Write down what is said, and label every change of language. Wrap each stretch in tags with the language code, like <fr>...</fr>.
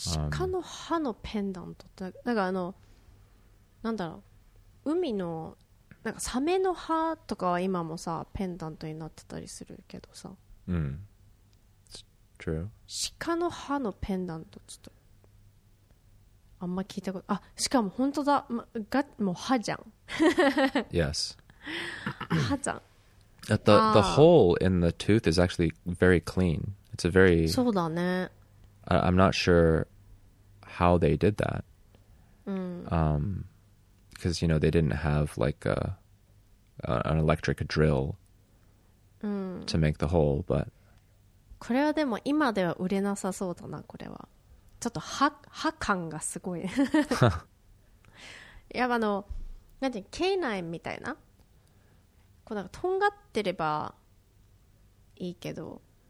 <ja>鹿の歯のペンダントって、なんかあの、なんだろう、海の、なんかサメの歯とかは今もさ、ペンダントになってたりするけどさ。</ja> <en>うん。It's true.</en> <ja>鹿の歯のペンダント、ちょっと、あんま聞いたこと、あ、しかも本当だ、ま、が、もう歯じゃん。</ja> <en>Yes.</en> <ja>歯じゃん。</ja> <en>The hole in the tooth is actually very clean. It's a very...</en> <ja>そうだね。</ja> <en>I'm not sure how they did that. Because, you know, they didn't have like an electric drill to make the hole, but...</en> <ja>これはでも今では売れなさそうだな、これは。ちょっと歯感がすごい。やっぱあの、なんていうの、ケイナインみたいな。こうなんかとんがってればいいけど、</ja>